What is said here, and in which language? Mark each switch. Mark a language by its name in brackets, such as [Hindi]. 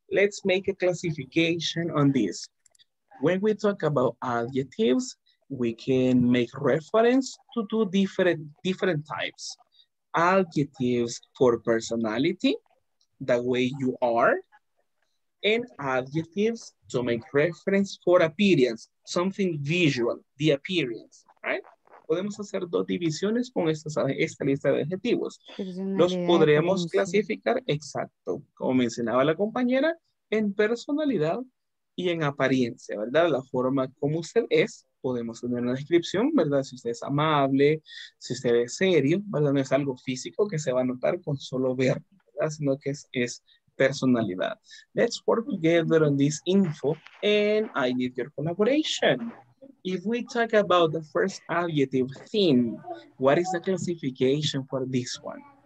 [English] Let's make a classification on this. When we talk about adjectives, we can make reference to two different types. Adjectives for personality, the way you are, and adjectives to make reference for appearance, something visual, the appearance, right? [Spanish] Podemos hacer dos divisiones con esta lista de adjetivos. Los podremos clasificar, exacto, como mencionaba la compañera, en personalidad y en apariencia, ¿verdad? La forma como usted es, podemos tener una descripción, ¿verdad? Si usted es amable, si usted es serio, ¿verdad? No es algo físico que se va a notar con solo ver, ¿verdad? Sino que es personalidad. [English] Let's work together on this info and I need your collaboration. If we talk about the first adjective, thin, what is the classification for this one?